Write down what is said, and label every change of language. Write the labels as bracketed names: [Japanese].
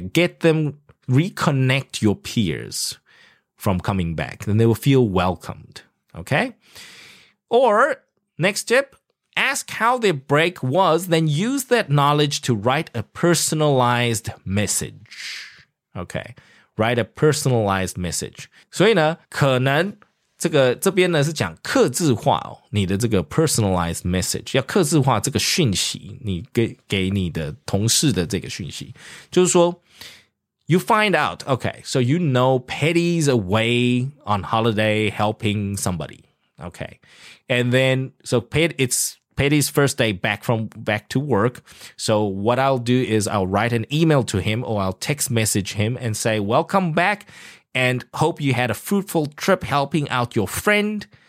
[English] Get them, reconnect your peers from coming back. Then they will feel welcomed. Okay. Or next tip. Ask how their break was, then use that knowledge to write a personalized message. Okay, write a personalized message. [Chinese] 所以呢，可能这边呢是讲客制化哦，你的这个 personalized message 要客制化这个讯息，你给你的同事的这个讯息，就是说 ， [English] you find out. Okay, so you know Patty's away on holiday helping somebody. Okay, and then so Patty Patty's first day back to work. So what I'll do is I'll write an email to him or I'll text message him and say, welcome back and hope you had a fruitful trip helping out your friend.